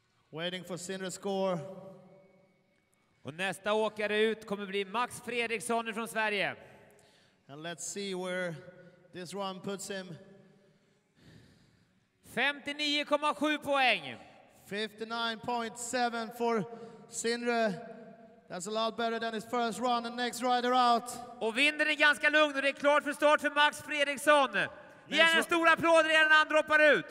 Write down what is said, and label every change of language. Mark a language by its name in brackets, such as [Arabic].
[English] Waiting for Sindre's score. [Swedish] Och nästa åkare ut kommer bli Max Fredriksson från Sverige. [English] And let's see where this run puts him. [Swedish] 59,7 poäng. [English] 59,7 for Sindre. That's a lot better than his first run and next rider out. [Swedish] Och vinden är ganska lugn och det är klart för start för Max Fredriksson. Ge en stor applåd redan han droppar ut.